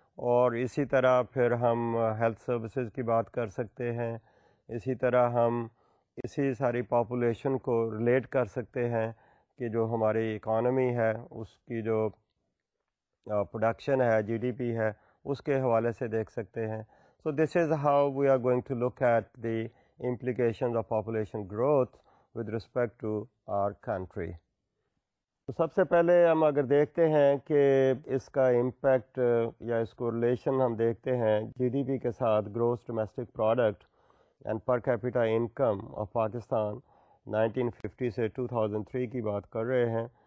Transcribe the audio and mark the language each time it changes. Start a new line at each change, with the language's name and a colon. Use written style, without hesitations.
Urdu: اور اسی طرح پھر ہم ہیلتھ سروسز کی بات کر سکتے ہیں، اسی طرح ہم اسی ساری پاپولیشن کو ریلیٹ کر سکتے ہیں کہ جو ہماری اکانومی ہے اس کی جو پروڈکشن ہے، جی ڈی پی ہے، اس کے حوالے سے دیکھ سکتے ہیں.
English: So this is how we are going to look at the implications of population growth with respect to our country.
Urdu: تو سب سے پہلے ہم اگر دیکھتے ہیں کہ اس کا امپیکٹ یا اس کو ریلیشن ہم دیکھتے ہیں جی ڈی پی کے ساتھ، gross domestic product and per capita income of Pakistan 1950 سے 2003 کی بات کر رہے ہیں.